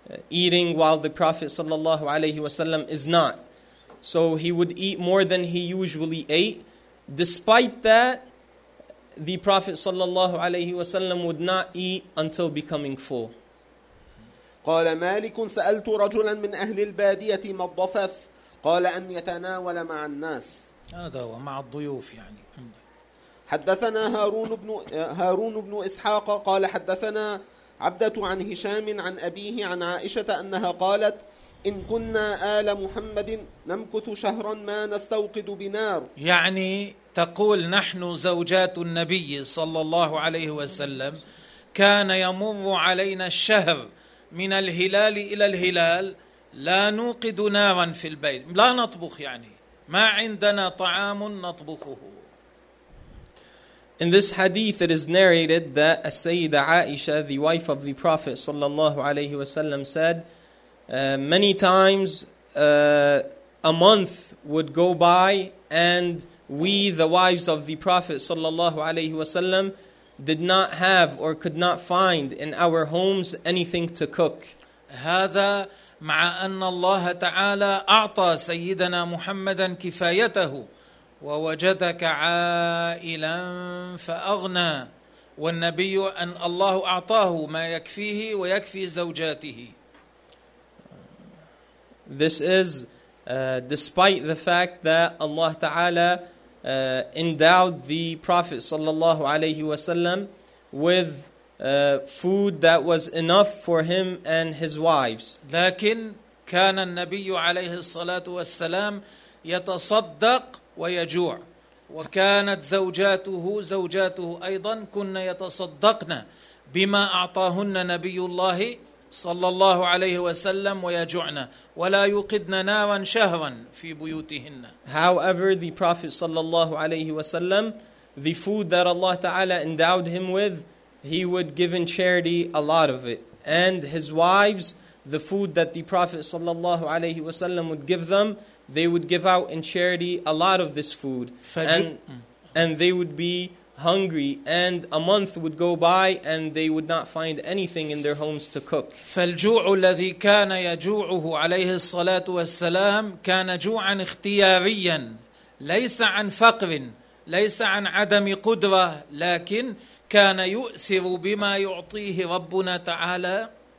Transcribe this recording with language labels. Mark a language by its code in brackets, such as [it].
[en] eating while the Prophet [ar] sallallahu alayhi wasallam [en] is not. So he would eat more than he usually ate. Despite that, the Prophet [ar] sallallahu alayhi wasallam [en] would not eat until becoming full. [ar] قال مالك سألت رجلا من أهل البادية ما الضفث قال أن يتناول مع الناس. هذا هو مع الضيوف يعني. حدثنا هارون بن إسحاق قال حدثنا عبدة عن هشام عن أبيه عن عائشة أنها قالت إن كنا آل محمد نمكث شهرا ما نستوقد بنار. يعني تقول نحن زوجات النبي صلى الله عليه وسلم كان يمر علينا الشهر من الهلال إلى الهلال لا نوقد نارا في البيت، لا نطبخ، يعني ما عندنا طعام نطبخه. [en] In this hadith it is narrated that a Sayyida Aisha, the wife of the Prophet [ar] sallallahu alayhi wasallam, [en] said many times a month would go by and we, the wives of the Prophet sallallahu alayhi wasallam, did not have or could not find in our homes anything to cook. [ar] هذا مع أن الله تعالى أعطى سيدنا محمدا كفايته ووجدك عائلا فأغنى، والنبي أن الله أعطاه ما يكفيه ويكفي زوجاته. [en] This is despite the fact that Allah تعالى endowed the Prophet [ar] sallallahu alayhi wasallam [en] with food that was enough for him and his wives. [ar] لكن كان النبي عليه الصلاة والسلام يتصدق ويجوع، وكانت زوجاته أيضا كن يتصدقن بما أعطاهن نبي الله صلى الله عليه وسلم ويجوعن ولا يوقدن نارا شهرا في بيوتهن. [en] However, the Prophet [ar] صلى الله عليه وسلم, [en] the food that Allah Ta'ala endowed him with, he would give in charity a lot of it. And his wives, the food that the Prophet [ar] sallallahu alayhi wasallam [en] would give them, they would give out in charity a lot of this food. And they would be hungry. And a month would go by and they would not find anything in their homes to cook. [ar] فالجوع الذي كان يجوعه عليه الصلاة والسلام كان جوعا اختياريا، ليس عن فقر، ليس عن عدم قدرة، لكن كان يؤثر بما يعطيه ربنا تعالى.